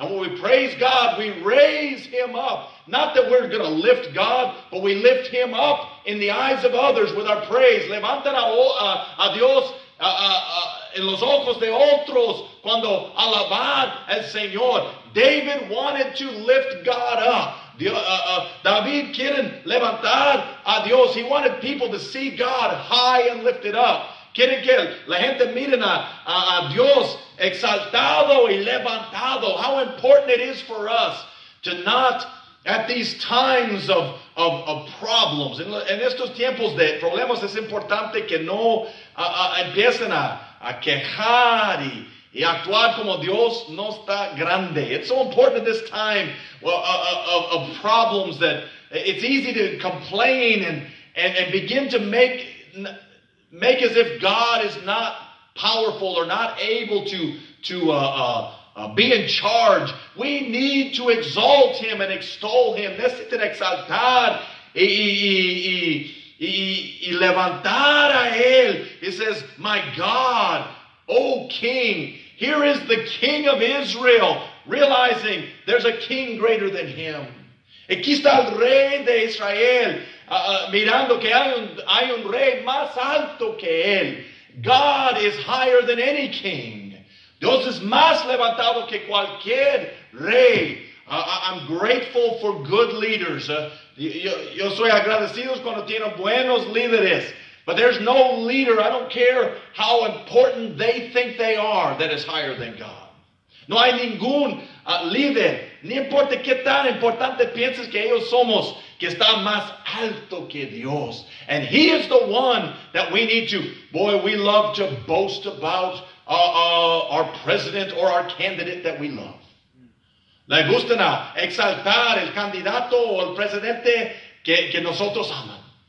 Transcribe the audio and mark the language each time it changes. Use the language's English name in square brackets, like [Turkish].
[English] And when we praise God, we raise Him up. Not that we're going to lift God, but we lift Him up in the eyes of others with our praise. [Spanish] Levanten a Dios en los ojos de otros cuando alaban al Señor. [English] David wanted to lift God up. [Spanish] David quieren levantar a Dios. [English] He wanted people to see God high and lifted up. [Spanish] Quieren que la gente miren a Dios exaltado y levantado. [English] How important it is for us to not, [Spanish] at these times of problems, en estos tiempos de problemas, es importante que no empiecen a quejar y actuar como Dios no está grande. [English] It's so important at this time of problems that it's easy to complain and begin to make as if God is not powerful or not able to be in charge. We need to exalt Him and extol Him. [Spanish] Necesitan exaltar y levantar a Él. [English] He says, my God, O King, here is the King of Israel, realizing there's a King greater than Him. [Spanish] Aquí está el Rey de Israel, mirando que hay un Rey más alto que Él. [English] God is higher than any king. [Spanish] Dios es más levantado que cualquier Rey. [English] I'm grateful for good leaders. [Spanish] Yo soy agradecido cuando tienen buenos líderes. [English] But there's no leader, I don't care how important they think they are, that is higher than God. [Spanish] No hay ningún líder, ni importa qué tan importante pienses que ellos somos, que está más alto que Dios. [English] And He is the one that we need to, boy, we love to boast about our president or our candidate that we love. [Spanish] Le gusta exaltar el candidato o el presidente que nosotros amamos.